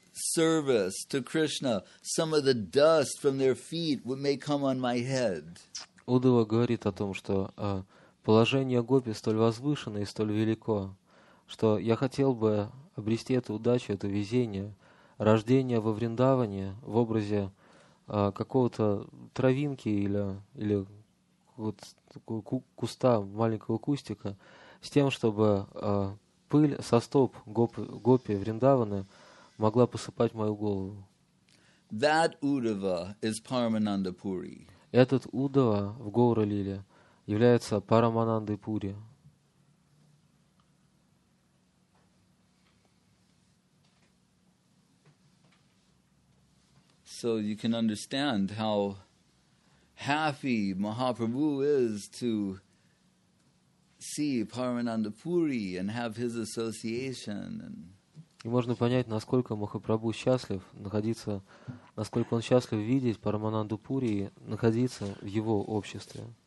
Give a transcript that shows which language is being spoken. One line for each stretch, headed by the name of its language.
English: service to Krishna, some of the dust from their feet may come on my head.
Russian: Удава говорит о том, что положение гопи столь возвышено и столь велико, что я хотел бы обрести эту удачу, это везение, рождение во Вриндаване в образе какого-то травинки или куста, маленького кустика, с тем, чтобы пыль со стоп гопи Вриндаваны могла посыпать мою голову.
English: That Uddhava is Paramananda Puri.
Russian: Этот Удава в Гоура-лиле является Параманандой Пури.
English: So you can understand how happy Mahaprabhu is to see Paramananda Puri and have his association.
Russian: И можно понять, насколько Махапрабху счастлив находиться, насколько он счастлив видеть Парамананду Пури и находиться в его обществе.